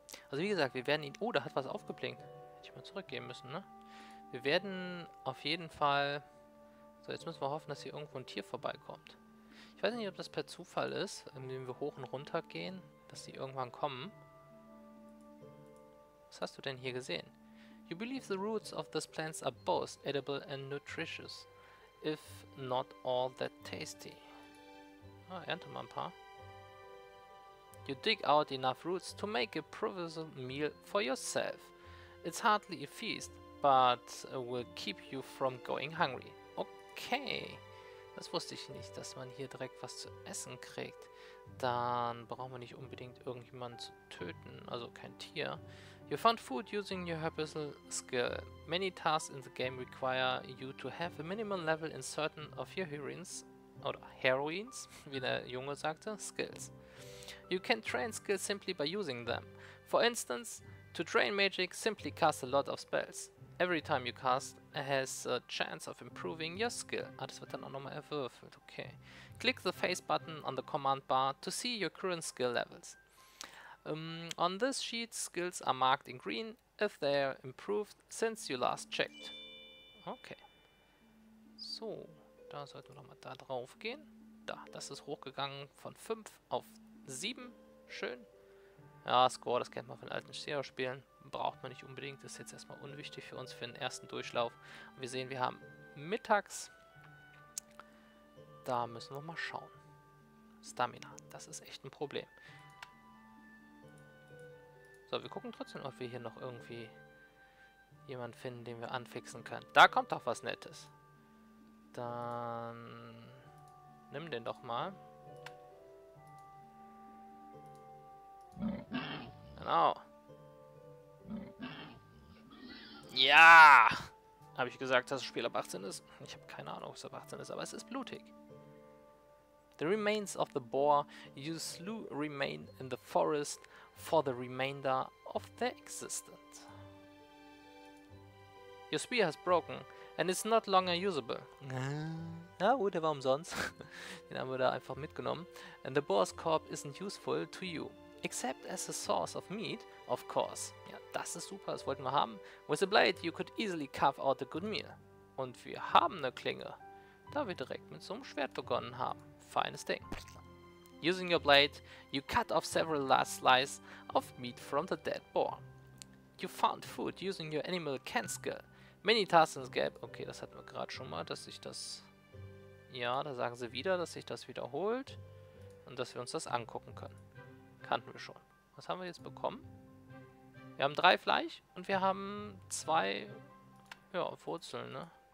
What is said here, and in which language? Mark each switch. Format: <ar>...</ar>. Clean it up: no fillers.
<de>Also wie gesagt, wir werden ihn... Oh, da hat was aufgeblinkt. Hätte ich mal zurückgehen müssen, ne? Wir werden auf jeden Fall... So, jetzt müssen wir hoffen, dass hier irgendwo ein Tier vorbeikommt. Ich weiß nicht, ob das per Zufall ist, indem wir hoch und runter gehen, dass sie irgendwann kommen. Was hast du denn hier gesehen?</de> <en>You believe the roots of these plants are both edible and nutritious, if not all that tasty.</en> <de>Ah, ernte mal ein paar.</de> <en>You dig out enough roots to make a provisional meal for yourself. It's hardly a feast, but will keep you from going hungry.</en> <de>Okay, das wusste ich nicht, dass man hier direkt was zu essen kriegt. Dann brauchen wir nicht unbedingt irgendjemanden zu töten, also kein Tier.</de> <en>You found food using your herbal skill. Many tasks in the game require you to have a minimum level in certain of your heroines,</en> <de>oder heroines, wie der Junge sagte,</de> <en>skills. You can train skills simply by using them. For instance, to train magic, simply cast a lot of spells. Every time you cast, it has a chance of improving your skill.</en> <de>Ah, das wird dann auch nochmal erwürfelt, okay.</de> <en>Click the face button on the command bar to see your current skill levels. On this sheet, skills are marked in green if they are improved since you last checked. Okay.</en> <de>So, da sollten wir nochmal da drauf gehen. Da, das ist hochgegangen von 5 auf 7. Schön. Ja, Score, das kennt man von alten Sierra-Spielen. Braucht man nicht unbedingt. Das ist jetzt erstmal unwichtig für uns für den ersten Durchlauf. Wir sehen, wir haben mittags. Da müssen wir mal schauen. Stamina, das ist echt ein Problem. So, wir gucken trotzdem, ob wir hier noch irgendwie jemanden finden, den wir anfixen können. Da kommt doch was Nettes. Dann nimm den doch mal. Genau. Ja! Habe ich gesagt, dass das Spiel ab 18 ist? Ich habe keine Ahnung, ob es ab 18 ist, aber es ist blutig.</de> <en>The remains of the boar you slew remain in the forest for the remainder of their existence. Your spear has broken and is not longer usable.</en> <de>Na gut, der war umsonst. Den haben wir da einfach mitgenommen.</de> <en>And the boar's corp isn't useful to you. Except as a source of meat, of course.</en> <de>Ja, das ist super, das wollten wir haben.</de> <en>With a blade you could easily carve out a good meal.</en> <de>Und wir haben eine Klinge. Da wir direkt mit so einem Schwert begonnen haben. Feines Ding.</de> <en>Using your blade, you cut off several last slices of meat from the dead boar. You found food using your animal can skill. Many tasks in gap.</en> <de>Okay, das hatten wir gerade schon mal, dass sich das... Ja, da sagen sie wieder, dass sich das wiederholt. Und dass wir uns das angucken können. Kannten wir schon. Was haben wir jetzt bekommen? Wir haben 3 Fleisch und wir haben 2... Ja, Wurzeln, ne?</de>